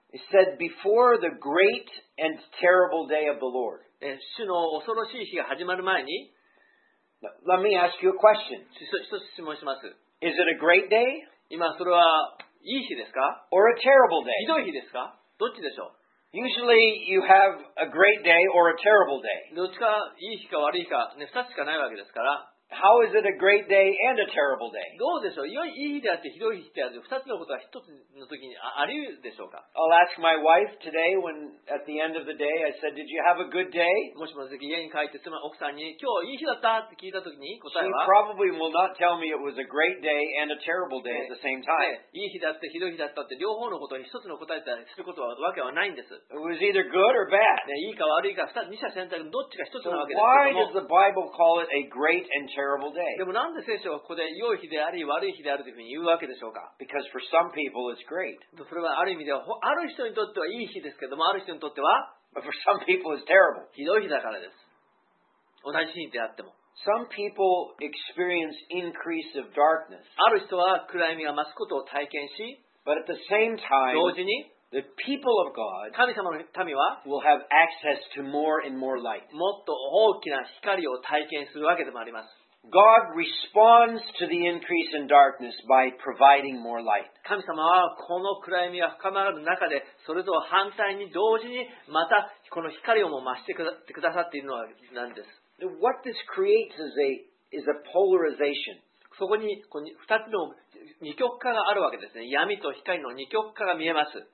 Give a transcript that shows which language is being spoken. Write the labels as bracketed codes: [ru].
[en] It said, before the great and terrible day of the Lord, [ja] 主の恐ろしい日が始まる前に、 [en] Let me ask you a question. [ja] 一つ質問します。 [en] Is it a great day? [ja] 今それはいい日ですか? [en] Or a terrible day? [ja] ひどい日ですか?どっちでしょう? [en] Usually you have a great day or a terrible day. [ja] どっちかいい日か悪い日か、ね、二つしかないわけですから。 [en] How is it a great day and a terrible day? [ja] どうでしょう? いい日であってひどい日であって二つのことは一つの時にあり得るでしょうか? [en] I'll ask my wife today when at the end of the day I said, did you have a good day? [ja] もしもし家に帰って妻奥さんに今日いい日だったって聞いた時に答えは [en] She probably will not tell me it was a great day and a terrible day at the same time. [ja] いい日だってひどい日だったって両方のことに一つの答えたりすることはわけはないんです。 [en] It was either good or bad. [ja] いいか悪いか二者選択どっちか一つなわけですけども。 [en] So why does the Bible call it a great and terrible? [ja] でもなんで聖書はここで良い日であり悪い日であるというふうに言うわけでしょうか? [en] Because for some people it's great. [ja] それはある意味ではある人にとっては良い日ですけども、ある人にとっては [en] But for some people it's terrible. [ja] ひどい日だからです。同じ日であっても。 [en] Some people experience increase of darkness. [ja] ある人は暗闇が増すことを体験し、 [en] But at the same time, [ja] 同時に [en] The people of God [ja] 神様の民は [en] will have access to more and more light. [ja] もっと大きな光を体験するわけでもあります。 [en] God responds to the increase in darkness by providing more light. [ja] 神様はこの暗闇が深まる中で、それと反対に同時にまたこの光をも増してくださっているのはなんです。 [en] What this creates is a polarization. [ja] そこに2つの二極化があるわけですね。闇と光の二極化が見えます。